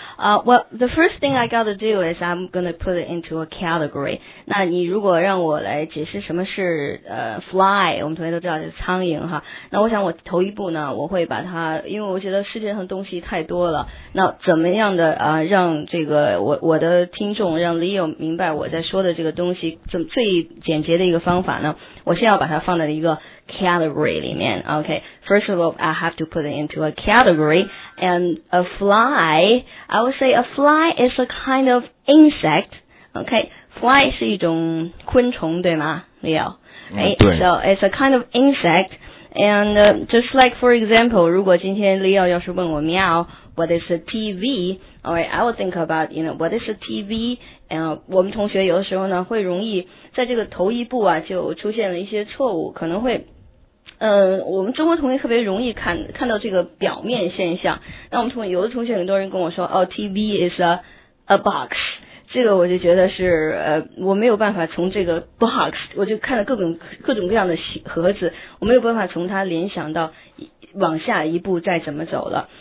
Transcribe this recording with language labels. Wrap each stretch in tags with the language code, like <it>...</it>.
<en>The first thing I got to do is I'm going to put it into a category.</en> <zh>那你如果让我来解释什么是fly, 我们同学都知道是苍蝇哈。那我想我头一步呢，我会把它，因为我觉得世界上东西太多了，那怎么样的让这个我的听众，让 Leo 明白我在说的这个东西，怎么最简洁的一个方法呢？我先要把它放在一个category 里面</zh> <en>OK, first of all, I have to put it into a category, and a fly, I would say a fly is a kind of insect, OK,</en> <zh>fly 是一种昆虫对吗</zh> <en>Leo, right? So it's a kind of insect, and just like for example,</en> <zh>如果今天 Leo 要是问我喵</zh> <en>What is a TV? Alright, I will think about, you know, what is a TV?</en> <zh>我们同学有的时候呢会容易在这个头一步啊就出现了一些错误，可能会我们中国同学特别容易看到这个表面现象。那我们有的同学很多人跟我说哦 ,</zh> <en>TV is a box.</en> <zh>这个我就觉得是我没有办法从这个 box, 我就看了各种各样的盒子，我没有办法从它联想到往下一步再怎么走了。</zh>